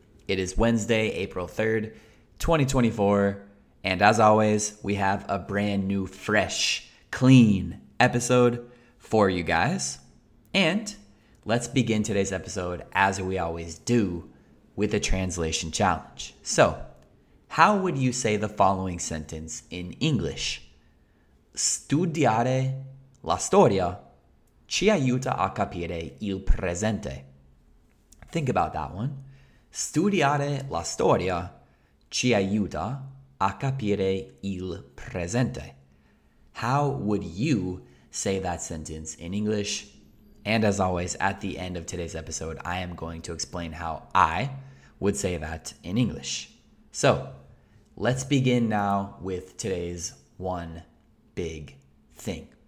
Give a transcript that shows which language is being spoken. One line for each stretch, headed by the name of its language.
English: It is Wednesday, April 3rd, 2024, and as always, we have a brand new, fresh, clean episode for you guys. And let's begin today's episode, as we always do, with a translation challenge. So, how would you say the following sentence in English?
Italian: Studiare la storia ci aiuta a capire il presente.
English: Think about that one.
Italian: Studiare la storia ci aiuta a capire il presente.
English: How would you say that sentence in English? And as always, at the end of today's episode, I am going to explain how I would say that in English. So, let's begin now with today's one big thing.